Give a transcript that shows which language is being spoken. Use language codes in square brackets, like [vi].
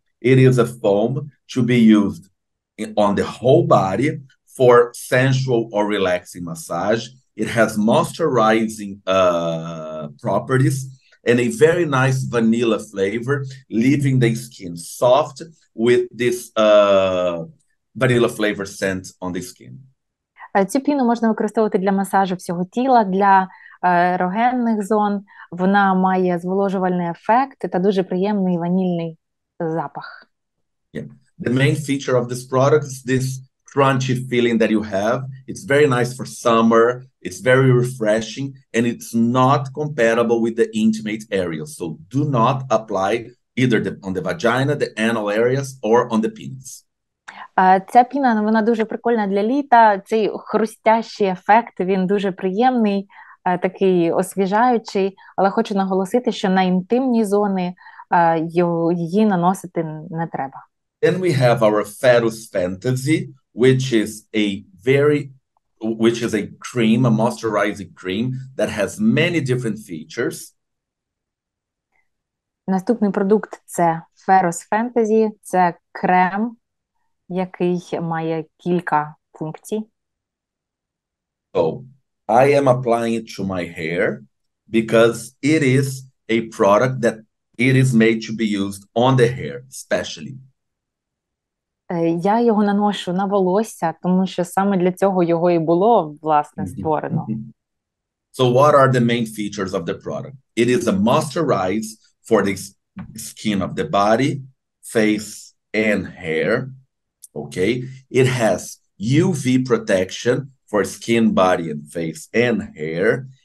[en] It is a foam to be used on the whole body for sensual or relaxing massage. It has moisturizing properties and a very nice vanilla flavor, leaving the skin soft with this vanilla flavor scent on the skin. [uk] Цю піну можна використовувати для масажу всього тіла, для ерогенних зон. Вона має зволожувальний ефект та дуже приємний ванільний запах. [en] Yeah. The main feature of this product is this crunchy feeling that you have. It's very nice for summer, it's very refreshing, and it's not compatible with the intimate areas. So do not apply either on the vagina, the anal areas, or on the penis. [uk] Ця піна, вона дуже прикольна для літа. Цей хрустящий ефект, він дуже приємний, такий освіжаючий. Але хочу наголосити, що на інтимні зони її наносити не треба. [en] Then we have our Ferus Fantasy, which is a cream, a moisturizing cream that has many different features. [uk] Наступний продукт – це Ferus Fantasy, це крем, який має кілька функцій. [en] So, I am applying it to my hair because it is a product that it is made to be used on the hair, especially. [uk] Я його наношу на волосся, тому що саме для цього його і було, власне, створено. [en] So, what are the main features of the product? It is a moisturizer for the skin of the body, face, and hair. Okay, it has UV protection for skin, body, and face, and hair.